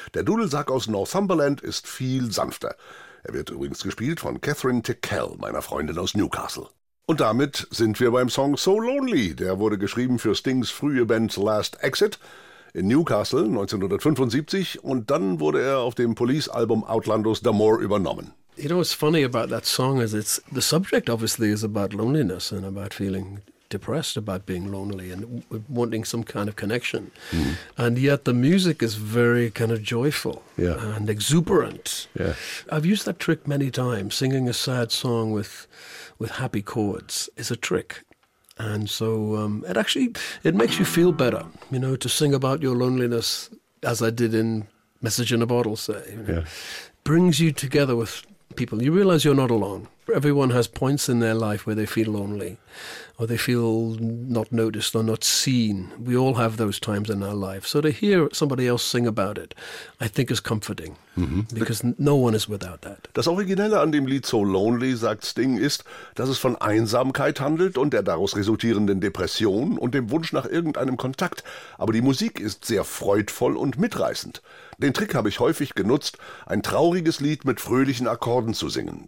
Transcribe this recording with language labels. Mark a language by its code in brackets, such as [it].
[de] Der Dudelsack aus Northumberland ist viel sanfter. Er wird übrigens gespielt von Catherine Tickell, meiner Freundin aus Newcastle. Und damit sind wir beim Song So Lonely. Der wurde geschrieben für Stings frühe Band Last Exit in Newcastle 1975, und dann wurde er auf dem Police-Album Outlandos D'Amour übernommen. [en] You know what's funny about that song is it's the subject obviously is about loneliness and about feeling depressed about being lonely and wanting some kind of connection. Mm-hmm. And yet the music is very kind of joyful and exuberant. Yeah. I've used that trick many times, singing a sad song with happy chords is a trick. And so it makes you feel better, you know, to sing about your loneliness as I did in Message in a Bottle, say. Brings you together with people. You realize you're not alone. Everyone has points in their life where they feel lonely or they feel not noticed or not seen. We all have those times in our life. So to hear somebody else sing about it, I think is comforting, because no one is without that. [de] Das Originelle an dem Lied So Lonely, sagt Sting, ist, dass es von Einsamkeit handelt und der daraus resultierenden Depression und dem Wunsch nach irgendeinem Kontakt. Aber die Musik ist sehr freudvoll und mitreißend. Den Trick habe ich häufig genutzt, ein trauriges Lied mit fröhlichen Akkorden zu singen.